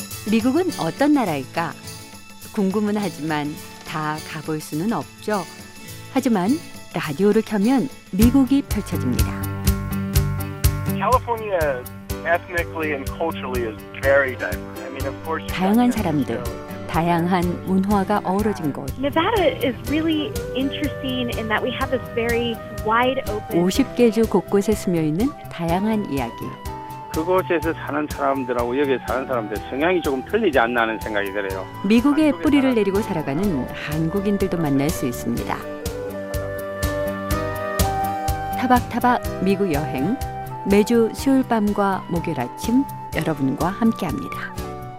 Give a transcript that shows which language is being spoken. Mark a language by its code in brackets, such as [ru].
[ko] 미국은 어떤 나라일까? 궁금은 하지만 다 가볼 수는 없죠. 하지만 라디오를 켜면 미국이 펼쳐집니다. [en] California ethnically and culturally is very diverse. I mean, of course, [ko] 다양한 사람들, 다양한 문화가 어우러진 곳. [en] Nevada is really interesting in that we have this very wide open. [ko] 50개 주 곳곳에 숨어 있는 다양한 이야기. 그곳에서 사는 사람들하고 여기 사는 사람들 성향이 조금 틀리지 않나 하는 생각이 들어요. 미국의 뿌리를 내리고 살아가는 한국인들도 만날 수 있습니다. 타박타박 미국 여행 매주 수요일 밤과 목요일 아침 여러분과 함께합니다.